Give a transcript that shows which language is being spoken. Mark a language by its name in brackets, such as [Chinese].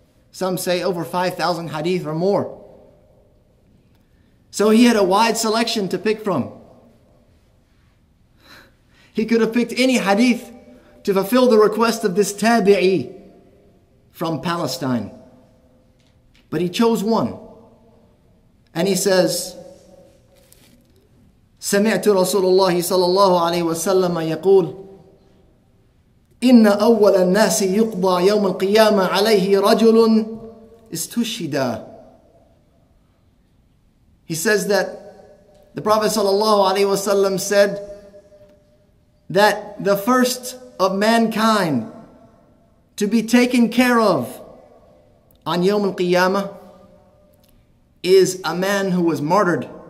[English] Some say over 5,000 hadith or more. So he had a wide selection to pick from. He could have picked any hadith to fulfill the request of this tabi'i from Palestine. But he chose one. And he says, [Arabic] سمعت رسول الله صلى الله عليه وسلم يقول إن أول الناس يقضى يوم القيامة عليه رجل استشهد. [English] He says that the Prophet صلى الله عليه وسلم said that the first of mankind to be taken care of on يوم القيامة is a man who was martyred.